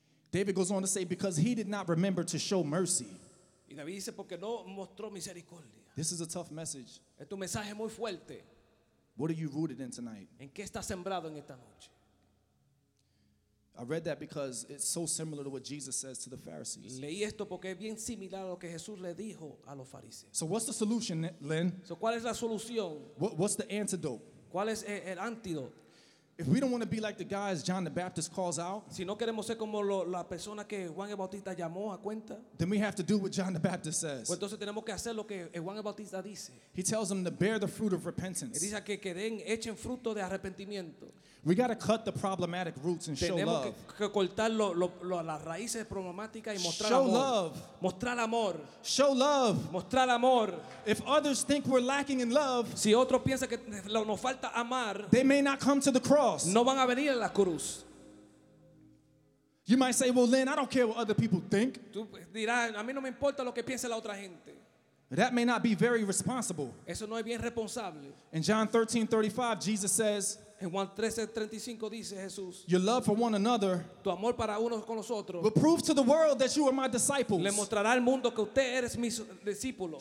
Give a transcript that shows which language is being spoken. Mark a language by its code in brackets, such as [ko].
[en] David goes on to say, because he did not remember to show mercy. [es] Y David dice, porque no mostró misericordia. [en] This is a tough message. [es] Es un mensaje muy fuerte. [en] What are you rooted in tonight? [es] ¿En qué estás sembrado en esta noche? [en] I read that because it's so similar to what Jesus says to the Pharisees. [es] Leí esto porque es bien similar a lo que Jesús le dijo a los fariseos. [en] So what's the solution, Len? [es] So ¿cuál es la solución? [en] What's the antidote? [es] ¿Cuál es el antídoto? [en] If we don't want to be like the guys John the Baptist calls out, [es] si no queremos ser como la persona que Juan el Bautista llamó a cuenta, [en] then we have to do what John the Baptist says. [es] Pues entonces tenemos que hacer lo que Juan el Bautista dice. [en] He tells them to bear the fruit of repentance. [es] Él dice que den, echen fruto de arrepentimiento. [en] We got to cut the problematic roots and [es] tenemos [en] show love. [es] Tenemos que cortar las raíces problemáticas y mostrar [en] show [es] amor. [en] Show love. [es] Mostrar amor. [en] Show love. [es] Mostrar amor. [en] If others think we're lacking in love, [es] si otros piensan que nos falta amar, [en] they may not come to the cross. [es] No van a venir a la cruz. [en] You might say, well, Len, I don't care what other people think. [es] Tú dirás, a mí no me importa lo que piense la otra gente. [en] That may not be very responsible. [es] Eso no es bien responsable. [en] In John 13:35, Jesus says, [es] En Juan 13:35 dice Jesús, [en] your love for one another, [es] tu amor para unos con los otros, [en] will prove to the world that you are my disciples. [es] Le mostrará al mundo que usted eres mis discípulos.